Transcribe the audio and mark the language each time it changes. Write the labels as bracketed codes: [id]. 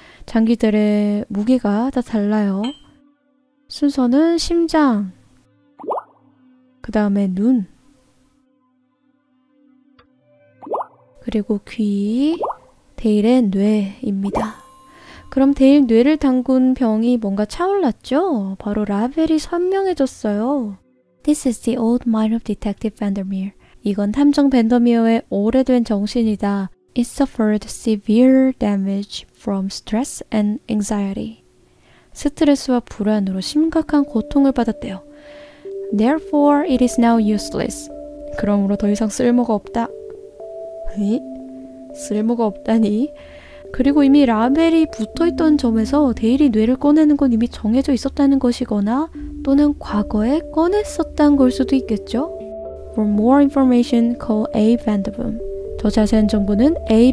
[ko] 장기들의 무게가 다 달라요. 순서는 심장, 그 다음에 눈, 그리고 귀, 데일의 뇌입니다. 그럼 데일 뇌를 담근 병이 뭔가 차올랐죠? 바로 라벨이 선명해졌어요. [en] This is the old mind of Detective Vandermeer. [ko] 이건 탐정 밴더미어의 오래된 정신이다. [en] It suffered severe damage from stress and anxiety. [ko] 스트레스와 불안으로 심각한 고통을 받았대요. [en] Therefore, it is now useless. [ko] 그러므로 더 이상 쓸모가 없다. 쓸모가 없다니? 그리고 이미 라벨이 붙어있던 점에서 데일이 뇌를 꺼내는 건 이미 정해져 있었다는 것이거나 또는 과거에 꺼냈었다는 걸 수도 있겠죠? [en] For more information, call A. Vanderboom. [ko] 더 자세한 정보는 A.